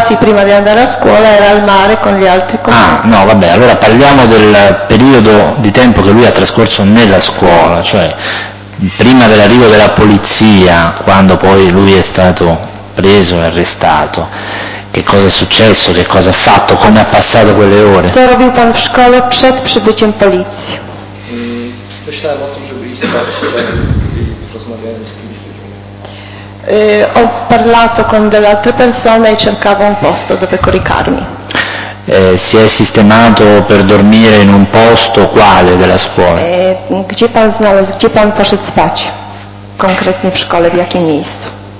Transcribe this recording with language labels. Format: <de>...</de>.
<it>Sì, prima di andare a scuola era al mare con gli altri compagni. Ah, no, vabbè, allora parliamo del periodo di tempo che lui ha trascorso nella scuola, cioè prima dell'arrivo della polizia, quando poi lui è stato preso e arrestato. Che cosa è successo, che cosa ha fatto, come ha passato quelle ore?</it> <pl>Co robił pan w szkole przed przybyciem policji? Myślałem o tym, żeby iść spać, rozmawiałem z kimś ludźmi.</pl> <it>Ho parlato con delle altre persone e cercavo un posto dove coricarmi. Si è sistemato per dormire in un posto quale della scuola?</it> <pl>Gdzie pan znalazł, gdzie pan poszedł spać? Konkretnie w szkole, w jakim miejscu?</pl>